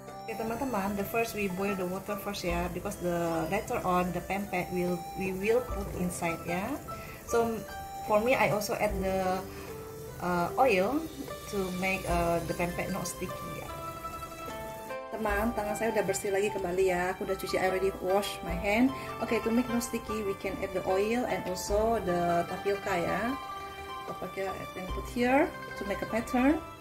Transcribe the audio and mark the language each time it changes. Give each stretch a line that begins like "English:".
English: Okay,
Indonesian: teman-teman,
English: the first we boil the water first, yeah, because the later on the pempek we will put inside, yeah. So for me, I also add the oil to make the pempek not sticky.
Indonesian: Teman, tangan saya udah bersih lagi kembali ya. Aku udah cuci,
English: I already wash my hand. Okay, to make no sticky, we can add the oil and also the tapioca ya. Tapioca and put here to make a pattern.